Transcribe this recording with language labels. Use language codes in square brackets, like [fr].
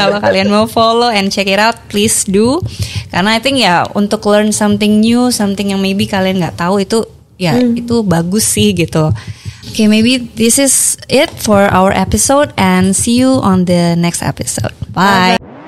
[id] Kalau kalian mau [en] follow and check it out, please do. [id] Karena [en] I think [id] ya untuk [en] learn something new, something [id] yang [en] maybe [id] kalian nggak tahu itu ya itu bagus sih gitu. [en] Okay, maybe this is it for our episode and see you on the next episode. Bye. Bye-bye.